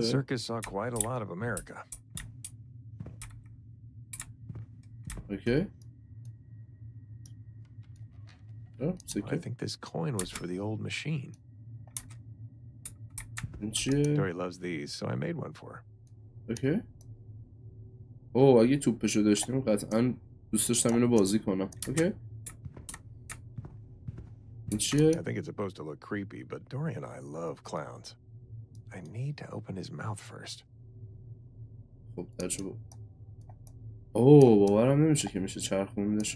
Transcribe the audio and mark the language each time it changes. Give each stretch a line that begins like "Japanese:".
English: Circus saw quite a lot of America. Okay. Oh, I think this coin was for the old machine. Dory loves these, so I made one for her. Okay.
Persian: Oh, اگه توپشو داشتیم قطعاً دوست داشتم اینو بازی کنم.
English: Okay. I think it's supposed to look creepy, but Dory and I love clowns. I need to open his mouth first.
Persian: خب تجربه. اوه باورم نمیشه که میشه چرخوندش.